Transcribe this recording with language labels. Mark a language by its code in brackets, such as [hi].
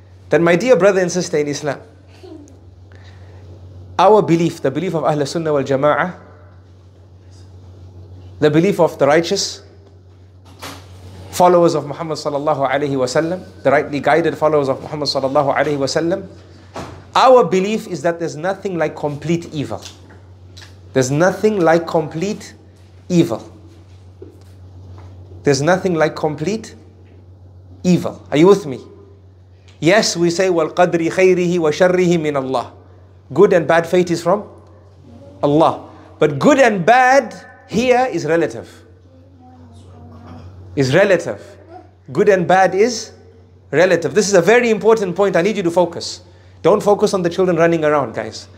[en] That my dear brother and sister in Islam, our belief, the belief of Ahl Sunnah wal Jama'ah, the belief of the righteous, followers of Muhammad sallallahu alayhi wa sallam, the rightly guided followers of Muhammad sallallahu alayhi wa sallam, our belief is that there's nothing like complete evil. There's nothing like complete evil. There's nothing like complete evil. Are you with me? Yes, we say, [ar] وَالْقَدْرِ خَيْرِهِ وَشَرِّهِ مِنَ اللَّهِ. [en] Good and bad fate is from Allah. But good and bad here is relative. Is relative. Good and bad is relative. This is a very important point. I need you to focus. Don't focus on the children running around, guys.